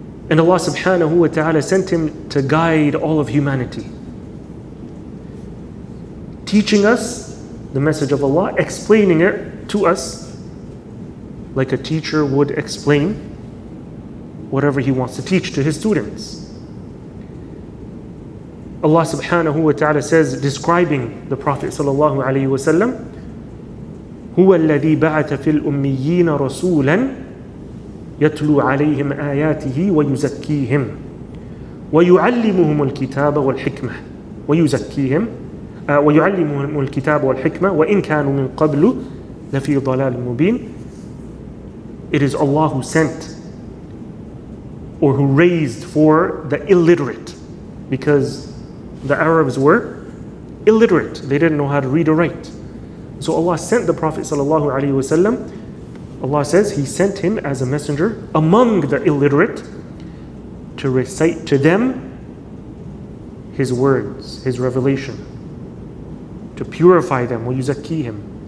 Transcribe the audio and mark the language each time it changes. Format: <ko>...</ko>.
<en>And Allah subhanahu wa ta'ala sent him to guide all of humanity, teaching us the message of Allah, explaining it to us like a teacher would explain whatever he wants to teach to his students. Allah subhanahu wa ta'ala says, describing the Prophet sallallahu alayhi wa sallam,</en> <ar>هو الذي بعث في الأميين رسولا يتلو عليهم آياته ويزكيهم ويعلمهم الكتاب والحكمة ويزكيهم ويعلمهم الكتاب والحكمة وإن كانوا من قبل لفي ضلال مبين.</ar> <en>It is Allah who sent or who raised for the illiterate, because the Arabs were illiterate. They didn't know how to read or write. So Allah sent the Prophet sallallahu alaihi wasallam. Allah says he sent him as a messenger among the illiterate to recite to them his words, his revelation, to purify them, ويزكيهم.</en>